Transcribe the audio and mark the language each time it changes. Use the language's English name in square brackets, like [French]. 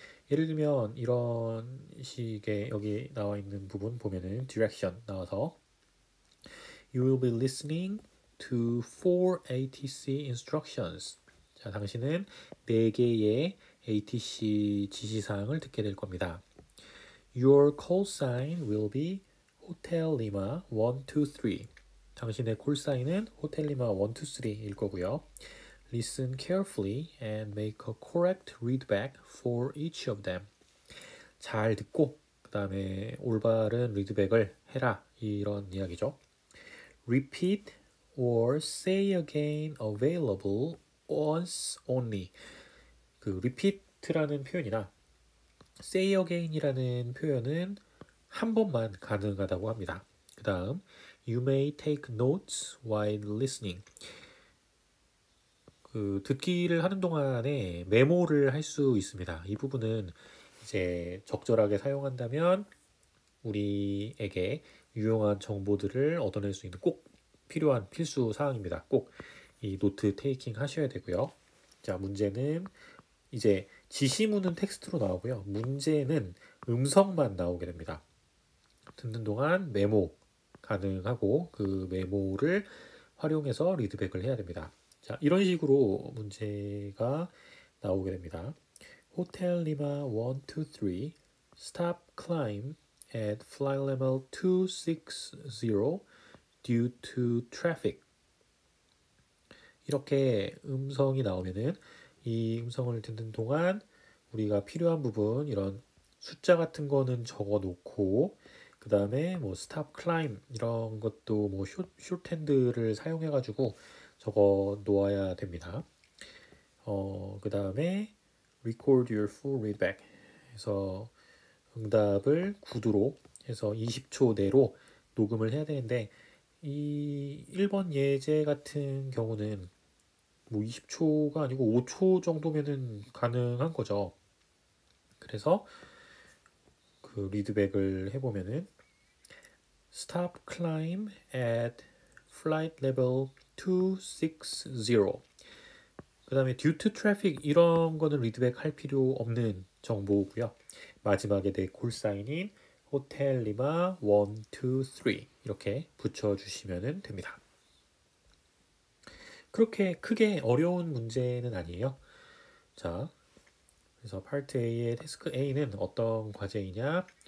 [Korean] 예를 들면 이런 식의 여기 나와 있는 부분 보면은 direction 나와서 [English] You will be listening to four ATC instructions. [Korean] 자, 당신은 네 개의 ATC 지시사항을 듣게 될 겁니다. [English] Your call sign will be Hotel Lima 123. [Korean] 당신의 콜 사인은 호텔 리마 123일 거고요. [English] Listen carefully and make a correct readback for each of them. [Korean] 잘 듣고 그 다음에 올바른 리드백을 해라 이런 이야기죠. [English] Repeat or say again available once only. [Korean] 그 repeat 라는 표현이나 say again이라는 표현은 한 번만 가능하다고 합니다. 그 다음, [English] you may take notes while listening. [Korean] 그 듣기를 하는 동안에 메모를 할수 있습니다. 이 부분은 이제 적절하게 사용한다면 우리에게 유용한 정보들을 얻어낼 수 있는 꼭 필요한 필수 사항입니다. 꼭이 노트 테이킹 하셔야 되고요. 자, 문제는 이제 지시문은 텍스트로 나오고요. 문제는 음성만 나오게 됩니다. 듣는 동안 메모 가능하고 그 메모를 활용해서 리드백을 해야 됩니다. 자, 이런 식으로 문제가 나오게 됩니다. [English] Hotel Lima 123, stop climb at flight level 260 due to traffic. [Korean] 이렇게 음성이 나오면은 이 음성을 듣는 동안 우리가 필요한 부분, 이런 숫자 같은 거는 적어 놓고, 그 다음에 뭐, [English] stop climb, [Korean] 이런 것도 뭐, shorthand를 사용해가지고 적어 놓아야 됩니다. 그 다음에 [English] record your full readback [Korean] 해서 응답을 구두로 해서 20초 내로 녹음을 해야 되는데, 이 1번 예제 같은 경우는 뭐 20초가 아니고 5초 정도면은 가능한 거죠. 그래서 그 리드백을 해보면은 [English] Stop climb at flight level 260. [Korean] 그 다음에 [English] due to traffic [Korean] 이런 거는 리드백 할 필요 없는 정보고요. 마지막에 내 콜사인인 호텔 리마 123 이렇게 붙여주시면 됩니다. 그렇게 크게 어려운 문제는 아니에요. 자, 그래서 파트 A의 태스크 A는 어떤 과제이냐?